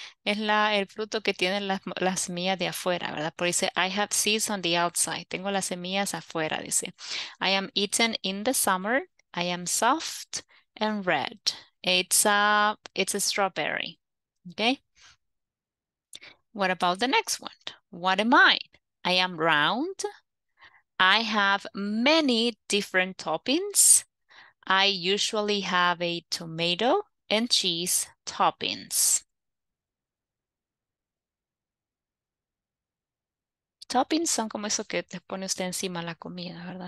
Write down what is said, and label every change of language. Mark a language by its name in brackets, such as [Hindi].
[Spanish] Es la, el fruto que tienen las, las semillas de afuera, ¿verdad? Por dice, [English] I have seeds on the outside. [Spanish] Tengo las semillas afuera, dice. [English] I am eaten in the summer. I am soft and red. It's a strawberry, okay? What about the next one? What am I? I am round. I have many different toppings. I usually have a tomato and cheese toppings. [Spanish] Toppings son como eso que te pone usted encima la comida, ¿verdad?